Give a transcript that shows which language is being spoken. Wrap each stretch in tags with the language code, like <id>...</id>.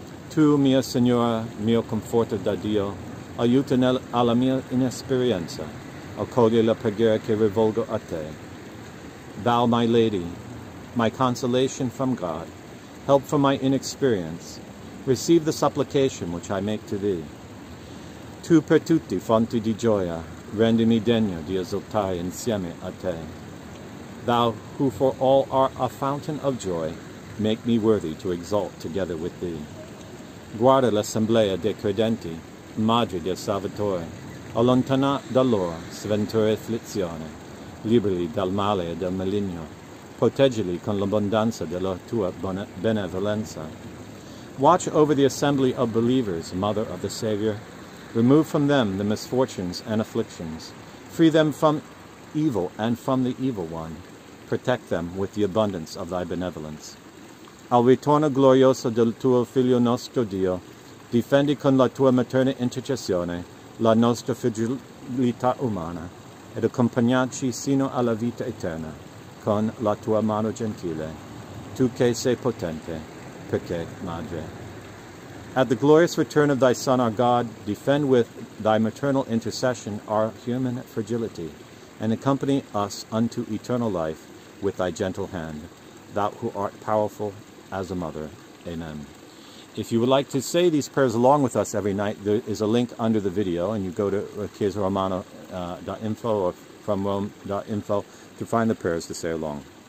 <it>Tu, mia Signora, mio conforto da Dio, aiuta alla mia inesperienza. Accogli la preghiera che rivolgo a te.</it> <en>Thou, my Lady, my consolation from God, help from my inexperience, receive the supplication which I make to thee.</en> <it>Tu per tutti fonte di gioia, rendimi degno di esultare insieme a te.</it> <en>Thou, who for all art a fountain of joy, make me worthy to exult together with thee.</en> <it>Guarda l'assemblea dei credenti, madre del Salvatore, allontana da loro sventure afflizione, liberali dal male e del maligno, proteggili con l'abbondanza della tua benevolenza.</it> <en>Watch over the assembly of believers, Mother of the Savior. Remove from them the misfortunes and afflictions. Free them from evil and from the evil one. Protect them with the abundance of thy benevolence. Al ritorno glorioso del tuo Figlio nostro Dio, difendi con la tua materna intercessione la nostra fragilità umana, ed accompagnaci sino alla vita eterna, con la tua mano gentile, tu che sei potente, perché madre. At the glorious return of thy Son, our God, defend with thy maternal intercession our human fragility, and accompany us unto eternal life with thy gentle hand, thou who art powerful as a mother. Amen. If you would like to say these prayers along with us every night, there is a link under the video, and you go to chiesaromana.info or fromrome.info to find the prayers to say along.</en>